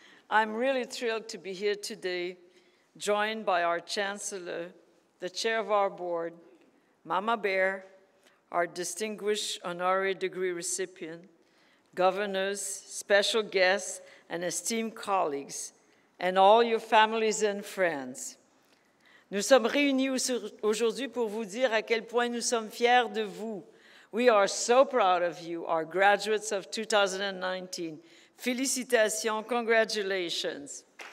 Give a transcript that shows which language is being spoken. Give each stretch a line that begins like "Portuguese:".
English: I'm really thrilled to be here today, joined by our chancellor, the chair of our board, Mama Bear, our distinguished honorary degree recipient, governors, special guests, and esteemed colleagues, and all your families and friends.
French: Nous sommes réunis aujourd'hui pour vous dire à quel point nous sommes fiers de vous.
English: We are so proud of you, our graduates of 2019.
French: Félicitations,
English: congratulations.